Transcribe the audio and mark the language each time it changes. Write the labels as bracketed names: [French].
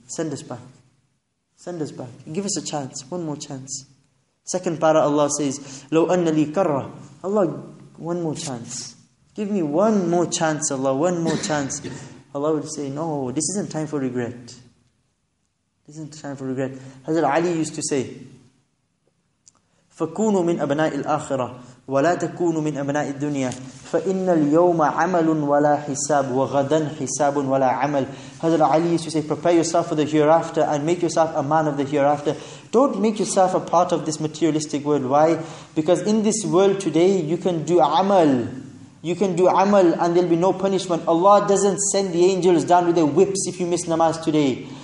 [English] Send us back. Send us back. Give us a chance. One more chance. Second para, Allah says, [Arabic] لَوْ أَنَّ لِي كَرَّةً. [English] Allah, one more chance. Give me one more chance, Allah. One more chance. Allah would say, no, this isn't time for regret. This isn't time for regret. Hazrat Ali used to say, [Arabic] فَكُونُوا مِنْ أَبْنَاءِ الْآخِرَةِ وَلَا تَكُونُوا مِنْ أَبْنَاءِ الدُّنْيَا فَإِنَّ الْيَوْمَ عَمَلٌ وَلَا حِسَابٌ وَغَدًا حِسَابٌ وَلَا عَمَلٌ. [English] Hazrat Ali used to say, prepare yourself for the hereafter and make yourself a man of the hereafter. Don't make yourself a part of this materialistic world. Why? Because in this world today, you can do amal. You can do amal and there'll be no punishment. Allah doesn't send the angels down with their whips if you miss namaz today.